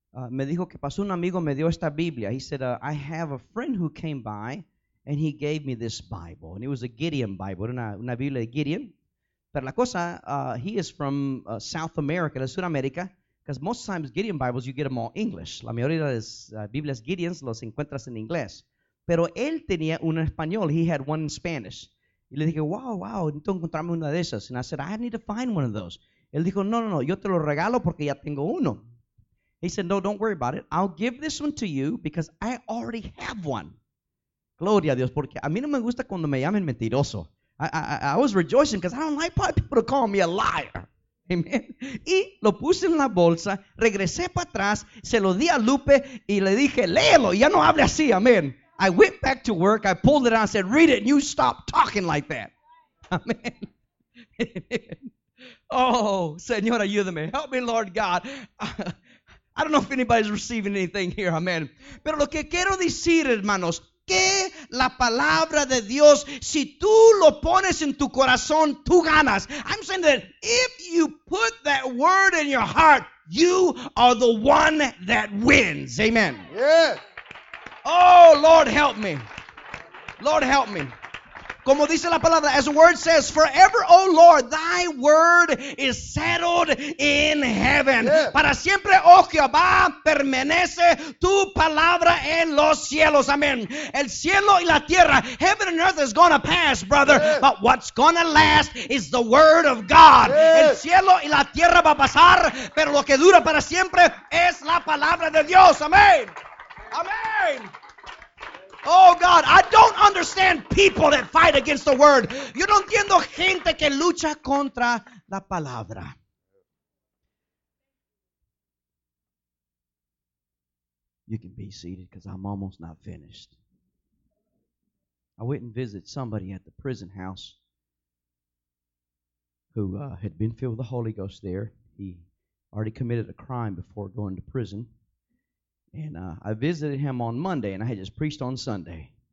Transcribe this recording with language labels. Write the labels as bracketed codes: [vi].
[es] Me dijo que pasó un amigo, me dio esta Biblia. [en] He said, I have a friend who came by, and he gave me this Bible. And it was a Gideon Bible, [es] una Biblia de Gideon. Pero la cosa, [en] he is from South America, [es] la Sudamérica, [en] because most times Gideon Bibles, you get them all English. [es] La mayoría de las Biblias Gideons los encuentras en inglés. Pero él tenía una en español, [en] he had one in Spanish. [es] Y le dije, wow, necesito encontrarme una de esas. [en] And I said, I need to find one of those. [es] Él dijo, no, yo te lo regalo porque ya tengo uno. [en] He said, no, don't worry about it. I'll give this one to you because I already have one. [es] Gloria a Dios, porque a mí no me gusta cuando me llamen mentiroso. [en] I was rejoicing because I don't like people to call me a liar. Amen. [es] Y lo puse en la bolsa, regresé para atrás, se lo di a Lupe y le dije, léelo, ya no hable así, amen. [en] I went back to work, I pulled it out, I said, read it, and you stop talking like that. Amen. [es] Oh, Señor, ayúdame. [en] Help me, Lord God. I don't know if anybody's receiving anything here, amen. [es] Pero lo que quiero decir, hermanos, que la palabra de Dios, si tú lo pones en tu corazón, tú ganas. [en] I'm saying that if you put that word in your heart, you are the one that wins. Amen. Yes. Oh, Lord, help me. Lord, help me. [es] Como dice la palabra, [en] as the word says, forever, oh Lord, thy word is settled in heaven. Yes. [es] Para siempre, oh Jehová, permanece tu palabra en los cielos. [en] Amen. [es] El cielo y la tierra, [en] heaven and earth is going to pass, brother. Yes. But what's going to last is the word of God. Yes. [es] El cielo y la tierra va a pasar, pero lo que dura para siempre es la palabra de Dios. [en] Amen. Amen. Oh God, I don't understand people that fight against the word. [es] Yo no entiendo gente que lucha contra la palabra. [en] You can be seated because I'm almost not finished. I went and visited somebody at the prison house who had been filled with the Holy Ghost there. He already committed a crime before going to prison. And I visited him on Monday, and I had just preached on Sunday.